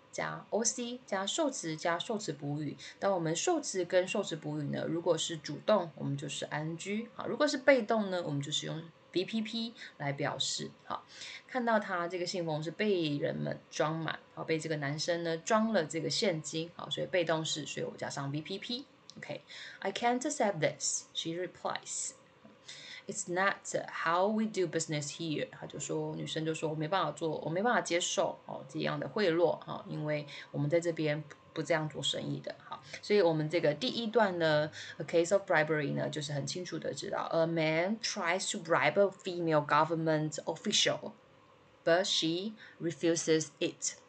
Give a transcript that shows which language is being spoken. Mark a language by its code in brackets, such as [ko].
[zh] 加 OC 加受词加受词补语，当我们受词跟受词补语呢，如果是主动我们就是 ing， 好，如果是被动呢我们就是用 VPP 来表示。好，看到他这个信封是被人们装满，好，被这个男生呢装了这个现金，好，所以被动式，所以我加上 VPP。 [en] OK， I can't accept this， she repliesIt's not how we do business here. [zh] 他就说，女生就说，我没办法做，我没办法接受哦这样的贿赂哈，因为我们在这边不这样做生意的哈。所以我们这个第一段呢 [en] ，a case of bribery 呢， [zh] 就是很清楚的知道 [en] ，a man tries to bribe a female government official, but she refuses it.